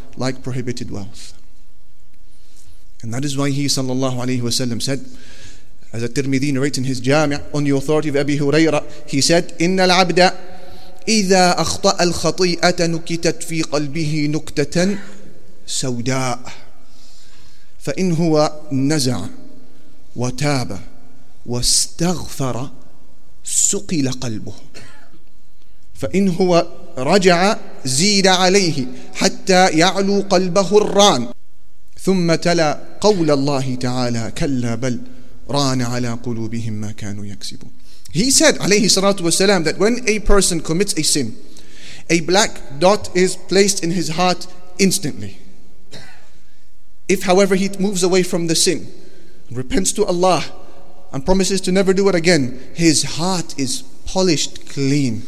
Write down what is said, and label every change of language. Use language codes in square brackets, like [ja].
[en] Like prohibited wealth. And that is why he sallallahu alayhi wasallam said, as At-Tirmidhi narrates in his Jami' on the authority of Abi Huraira, he said, [ar] إِنَّ الْعَبْدَ إِذَا أَخْطَأَ الْخَطِيئَةَ نُكِتَتْ فِي قَلْبِهِ نُكْتَةً سَوْدَاءَ فَإِنْ هُوَ نَزَعَ وَتَابَ واستغفر سقل قلبه فإن هو رجع زيد عليه حتى يعلو قلبه الران ثم تلا قول الله تعالى كلا بل ران على قلوبهم ما كانوا يكسبون. [en] He said [ar] عليه الصلاة والسلام [en] that when a person commits a sin, a black dot is placed in his heart instantly. If however he moves away from the sin, repents to Allah and promises to never do it again, his heart is polished clean.